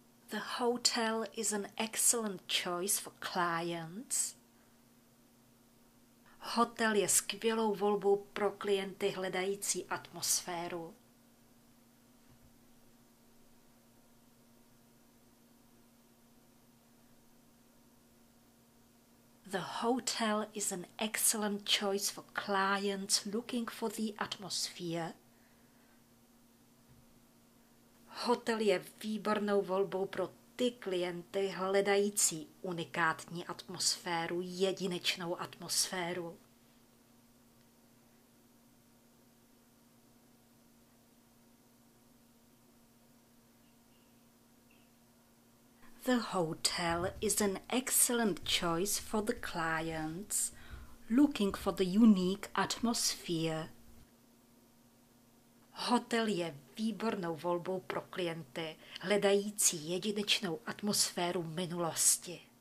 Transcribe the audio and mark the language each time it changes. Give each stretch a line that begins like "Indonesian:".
English: The hotel is an excellent choice for clients.
Czech: Hotel je skvělou volbou pro klienty hledající atmosféru.
English: The hotel is an excellent choice for clients looking for the atmosphere.
Czech: Hotel je výbornou volbou pro ty klienty hledající unikátní atmosféru, jedinečnou atmosféru.
English: The hotel is an excellent choice for the clients looking for the unique atmosphere.
Czech: Hotel je výbornou volbou pro klienty hledající jedinečnou atmosféru minulosti.